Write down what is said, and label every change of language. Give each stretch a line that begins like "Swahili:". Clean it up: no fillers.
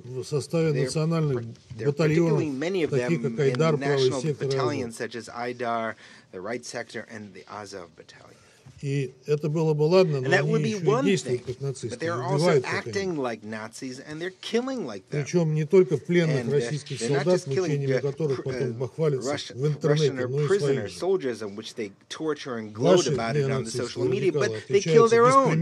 English: Particularly many of them in the national battalions, such as Aydar, the Right Sector, and the Azov Battalion. And that would be one thing, but they're also acting like Nazis, and they're killing like them.
Russian: Причем не только пленных российских солдат, мучениями которых потом бахвалятся в интернете, но и своих.
English: Soldiers on which they torture and gloat about it on the social media, but they kill their own.